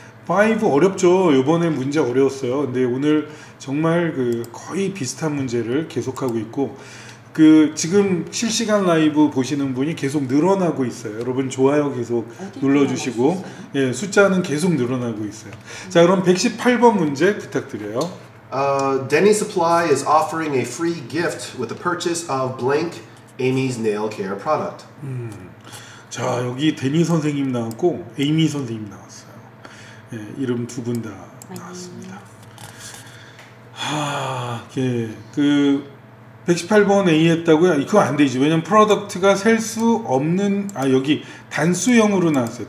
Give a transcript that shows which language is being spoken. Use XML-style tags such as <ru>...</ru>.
<ko>5 어렵죠. 이번에 문제 어려웠어요. 근데 오늘 정말 그 거의 비슷한 문제를 계속하고 있고 그 지금 실시간 라이브 보시는 분이 계속 늘어나고 있어요. 여러분 좋아요 계속 눌러주시고 예, 숫자는 계속 늘어나고 있어요. 자 그럼 118번 문제 부탁드려요.</ko> <en>Denny Supply is offering a free gift with the purchase of blank Amy's nail care product.</en> <ko>자 여기 데니 선생님 나왔고 에이미 선생님 나왔어요. 예, 이름 두 분 다 나왔습니다. 하, 예, 그 118번 A 했다고요? 이거 안 되지. 왜냐면 프로덕트가 셀 수 없는 아 여기 단수형으로 나왔어요.</ko>